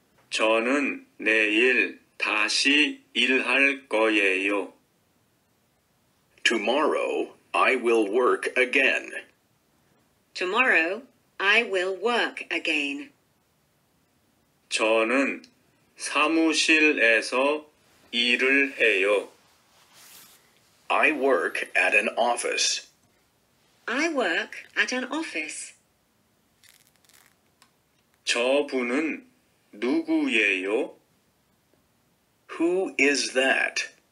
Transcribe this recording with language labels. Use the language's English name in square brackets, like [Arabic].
[Korean] 저는 내일 다시 일할 거예요. [English] Tomorrow I will work again. Tomorrow I will work again. [Korean] 저는 사무실에서 일을 해요. [English] I work at an office. I work at an office. [Korean] 저분은 누구예요? [English] Who is that?